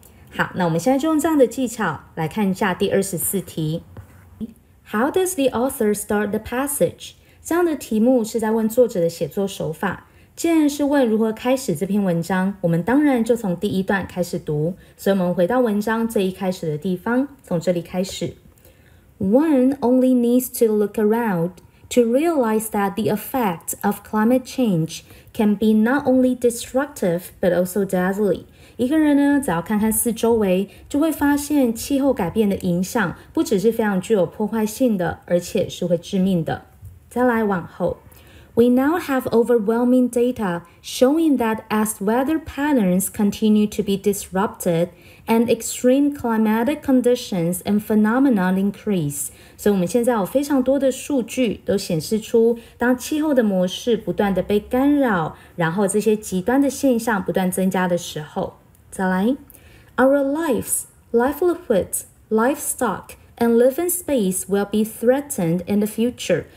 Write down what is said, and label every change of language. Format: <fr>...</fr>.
<zh>好，那我们现在就用这样的技巧来看一下第24题。</zh> <en>How does the author start the passage？</en> <zh>这样的题目是在问作者的写作手法。既然是问如何开始这篇文章，我们当然就从第一段开始读。所以我们回到文章最一开始的地方，从这里开始。</zh> <en>One only needs to look around to realize that the effect of climate change can be not only destructive but also deadly.</en> <zh>一个人呢，只要看看四周围，就会发现气候改变的影响不只是非常具有破坏性的，而且是会致命的。再来往后，</zh> <en>We now have overwhelming data showing that as weather patterns continue to be disrupted and extreme climatic conditions and phenomena increase.</en> <zh>所以我们现在有非常多的数据都显示出，当气候的模式不断的被干扰，然后这些极端的现象不断增加的时候。再来，</zh> <en>Our lives, livelihoods, livestockand living space will be threatened in the future.</en>